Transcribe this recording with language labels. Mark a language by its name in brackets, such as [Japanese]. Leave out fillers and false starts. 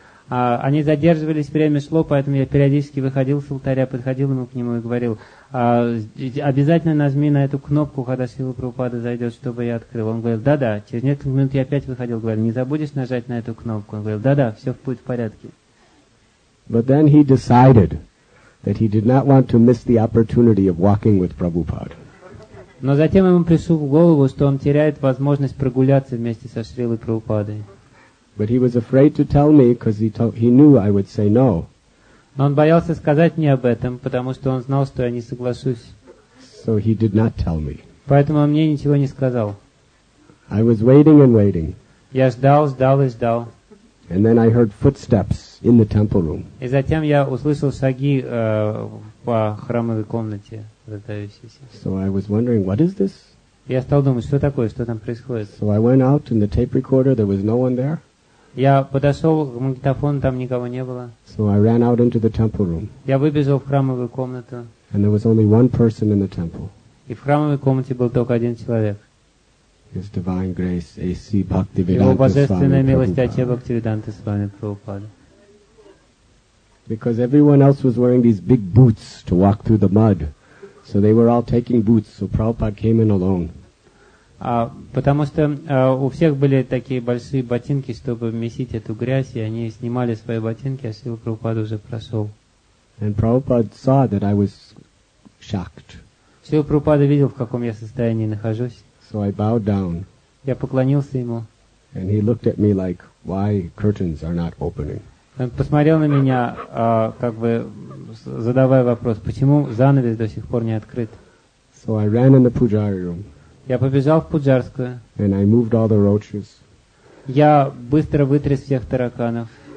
[Russian] Они задерживались, время шло, поэтому я периодически выходил с алтаря, подходил ему к нему и говорил, обязательно нажми на эту кнопку, когда Шрила Прабхупада зайдет, чтобы я открыл. Он говорил, да-да, через несколько минут я опять выходил, говорил, не забудешь нажать на эту кнопку? Он говорил, да-да, все будет в порядке. [English] But then he decided that he did not want to miss the opportunity of walking with Prabhupada. [Russian] Но затем ему пришло в голову, что он теряет возможность прогуляться вместе со Шрилой Прабхупадой. [English] But he was afraid to tell me because he knew I would say no. [Russian] Но он боялся сказать мне об этом, потому что он знал, что я не соглашусь. [English] So he did not tell me. [Russian] Поэтому он мне ничего не сказал. [English] I was waiting and waiting. [Russian] Я ждал, ждал и ждал. [English] And then I heard footsteps in the temple room. [Russian] И затем я услышал шаги по храмовой комнате, раздающиеся. [English] So I was wondering, what is this? [Russian] Я стал думать, что такое, что там происходит. [English] So I went out in the tape recorder. There was no one there. [Russian] Я подошел к магнитофону, там никого не было. [English] So I ran out into the temple room. [Russian] Я выбежал в храмовую комнату. [English] And there was only one person in the temple. [Russian] И в храмовой комнате был только один человек. [English] His divine grace, A.C. Bhaktivedanta [Russian] Swami Prabhupada. Его божественная милость, А.Ч. Бхактивиданта Свами Прабхупада. [English] Because everyone else was wearing these big boots to walk through the mud. So they were all taking boots, so Prabhupada came in alone. [Russian] Потому что у всех были такие большие ботинки, чтобы месить эту грязь, и они снимали свои ботинки, а Шрила Прабхупада уже прошел. [English] And Prabhupada saw that I was shocked. [Russian] Шрила Прабхупада видел, в каком я состоянии нахожусь. [English] So I bowed down. [Russian] Я поклонился ему. [English] And he looked at me like, why curtains are not opening? [Russian] Он посмотрел на меня, как бы задавая вопрос, почему занавес до сих пор не открыт? [English] So I ran in the pujari room. [Russian] Я побежал в Пуджарскую. [English] And I moved all the roaches. [Russian] Я быстро вытряс всех тараканов.